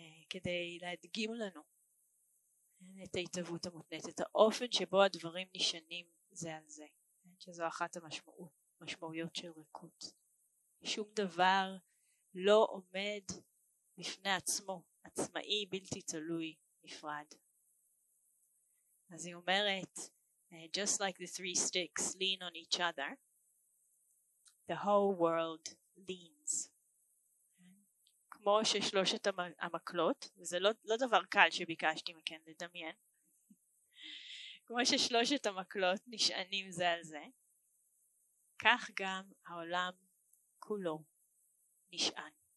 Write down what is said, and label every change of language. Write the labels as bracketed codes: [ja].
[he] כדי להדגים לנו את ההתאבות המותנית, את האופן שבו הדברים נשענים זה על זה, שזו אחת המשמעויות של ריקות. שום דבר לא עומד בפני עצמו, עצמאי, בלתי תלוי, נפרד. אז היא אומרת, [en] just like the three sticks lean on each other, the whole world leans. [he] כמו ששלושת המקלות, וזה לא דבר קל שביקשתי מכן לדמיין, כמו ששלושת המקלות נשענים זה על זה, כך גם העולם כולו נשען.